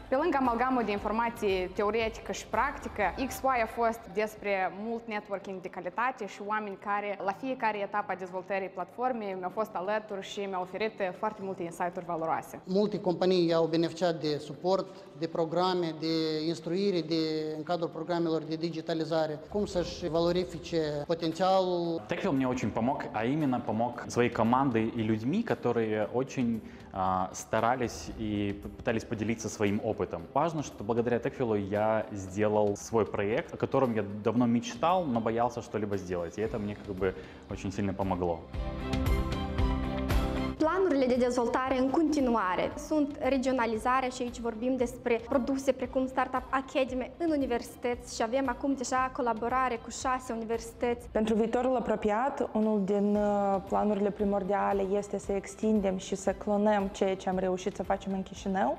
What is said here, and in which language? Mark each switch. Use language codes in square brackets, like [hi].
[ro] Pe lângă amalgamul de informații teoretică și practică, XY a fost despre mult networking de calitate și oameni care la fiecare etapă a dezvoltării platformei mi-au fost alături și mi-au oferit foarte multe insight-uri valoroase. Multe companii au beneficiat de suport, de programe, de instruire, de în cadrul programelor de digitalizare, cum să-și valorifice potențialul. [ru] Techwell [ro] mi-a [ru] очень помог, а именно помог своей командой и людьми, которые очень старались и пытались поделиться своим опытом. Важно, что благодаря Techwell я сделал свой проект, о котором я давно мечтал, но боялся что-либо сделать, и это мне как бы очень сильно помогло. [ro] Planurile de dezvoltare în continuare sunt regionalizarea și aici vorbim despre produse precum Startup Academy în universități și avem acum deja colaborare cu 6 universități. Pentru viitorul apropiat, unul din planurile primordiale este să extindem și să clonăm ceea ce am reușit să facem în Chișinău.